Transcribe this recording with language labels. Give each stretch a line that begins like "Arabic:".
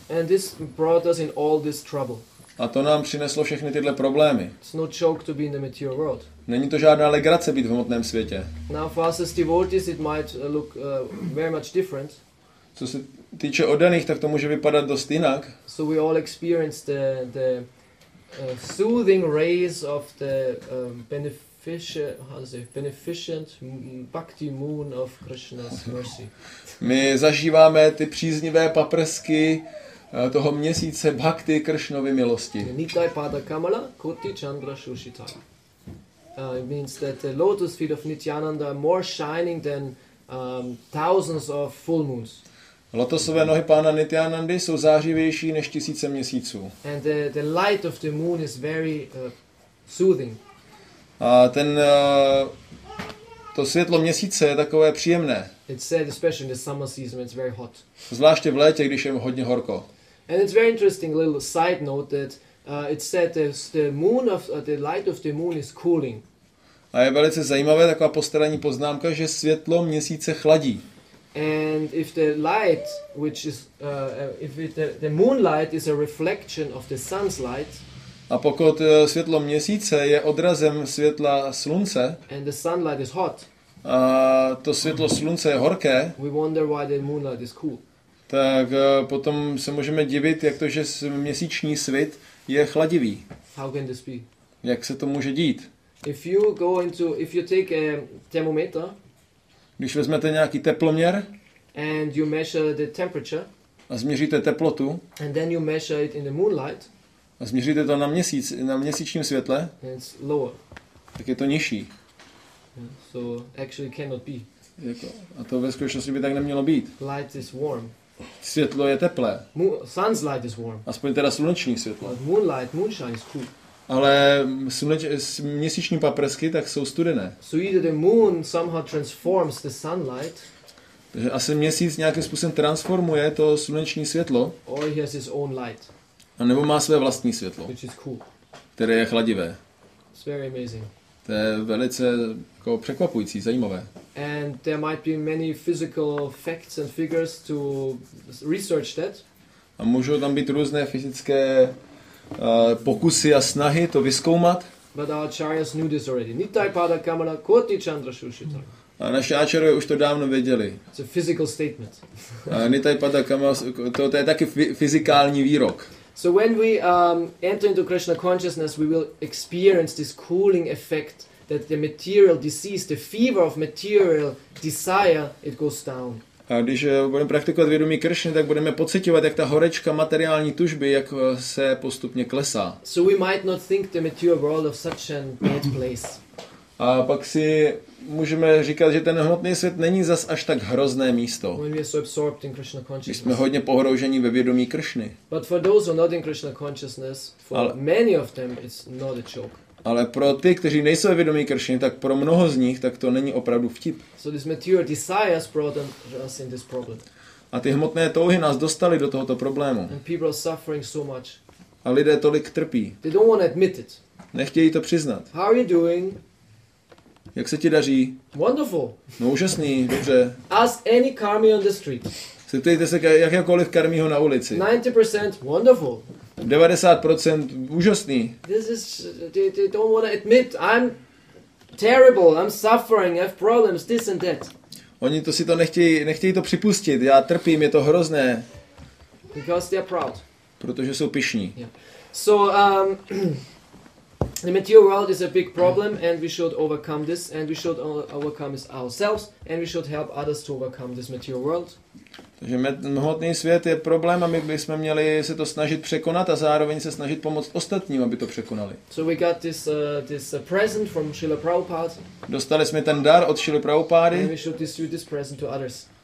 English: And this brought us in all this trouble.
Czech: A to nám přineslo všechny tyhle problémy.
English: It's no joke to be in the material world.
Czech: Není to žádná legrace být v hmotném světě.
English: Now for us as devotees it might look very much different.
Czech: Co se týče oddaných, tak to může vypadat dost jinak.
English: So we all experience the soothing rays of the beneficent bhakti moon of Krishna's mercy.
Czech: My zažíváme ty příznivé paprsky toho měsíce bhakti Krishnovy milosti.
Bangla: Nitai pada kamala koti chandra shushita.
English: It means that the lotus feet of Nityananda are more shining than thousands of full moons.
Czech: Lotosové nohy pána Nityanandy jsou zářivější než tisíce měsíců.
English: And the light of the moon is very soothing.
Czech: A ten to světlo měsíce je takové příjemné.
English: It's said especially in the summer season it's very hot.
Czech: Zvláště v létě, když je hodně horko.
English: And it's very interesting little side note that it's said the moon of the light of the moon is cooling.
Czech: A je velice zajímavé taková postranní poznámka, že světlo měsíce chladí.
English: And if the light which is if the moonlight is a reflection of the sun's light.
Czech: A pokud světlo měsíce je odrazem světla slunce.
English: And the sunlight is hot.
Czech: A to světlo slunce je horké.
English: We wonder why the moonlight is cool.
Czech: Tak potom se můžeme divit, jak to, že měsíční svit je chladivý.
English: How can this be?
Czech: Jak se to může dít?
English: If you take a thermometer.
Czech: Když vezmete nějaký teploměr
English: and you measure the temperature,
Czech: a změříte teplotu
English: and then you measure it in the moonlight,
Czech: a změříte to na měsíc, na měsíčním světle,
English: it's lower.
Czech: Tak je to nižší.
English: So actually cannot be.
Czech: A to ve skutečnosti by tak nemělo být.
English: Light is warm.
Czech: Světlo je teplé.
English: Sun's light is warm.
Czech: Aspoň teda sluneční světlo.
English: But moonlight, moonshine is cool.
Czech: Ale měsíční paprsky tak jsou studené.
English: So either the moon somehow transforms the sunlight.
Czech: Takže asi měsíc nějakým způsobem transformuje to sluneční světlo.
English: Or he has his own light.
Czech: A nebo má své vlastní světlo.
English: Which is cool.
Czech: Které je chladivé.
English: It's very amazing.
Czech: To je velice jako překvapující, zajímavé.
English: And there might be many physical facts and figures to research that.
Czech: A můžou tam být různé fyzické pokusy a snahy to vyskoumat.
English: But Acharyas knew this already.
Bangla: Nityapada Kamala Koti Chandra Shushita.
Czech: A naši Acharyové už to dávno věděli.
English: It's a physical statement.
Czech: Nityapada Kamala, to je taky fyzikální výrok.
English: So when we enter into Krishna consciousness, we will experience this cooling effect that the material disease, the fever of material desire, it goes down.
Czech: A když budeme praktikovat vědomí Kršny, tak budeme pocitovat, jak ta horečka materiální tužby, jak se postupně klesá.
English: So we might not think the material world of such a bad place.
Czech: A pak si můžeme říkat, že ten hmotný svět není zas až tak hrozné místo.
English: When we are so absorbed in Krishna consciousness.
Czech: Když jsme hodně pohroužení ve vědomí Kršny.
English: But for those who are not in Krishna consciousness, for many of them, it's not a joke.
Czech: Ale pro ty, kteří nejsou vědomí Kršny, tak pro mnoho z nich, tak to není opravdu vtip.
English: So this material desire has brought us in this problem.
Czech: A ty hmotné touhy nás dostaly do tohoto problému.
English: And people are suffering so much.
Czech: A lidé tolik trpí.
English: They don't want to admit it.
Czech: Nechtějí to přiznat.
English: How are you doing?
Czech: Jak se ti daří?
English: Wonderful.
Czech: No úžasný, dobře.
English: Ask any karmi on the street.
Czech: Zeptejte se jakékoliv karmího na ulici.
English: 90% wonderful.
Czech: 90% úžasný.
English: This is they don't want to admit I'm terrible, I'm suffering, I have problems, this and that.
Czech: Oni to si to nechtějí to připustit. Já trpím, je to hrozné.
English: Because they are proud.
Czech: Protože jsou pyšní.
English: Yeah. So the material world is a big problem and we should overcome this and we should overcome it ourselves and we should help others to overcome this material world.
Czech: Takže hmotný svět je problém a my bychom měli se to snažit překonat a zároveň se snažit pomoct ostatním, aby to překonali.
English: So we got this present from Srila Prabhupada.
Czech: Dostali jsme ten dar od Srila Prabhupady.
English: And we should distribute this present to others.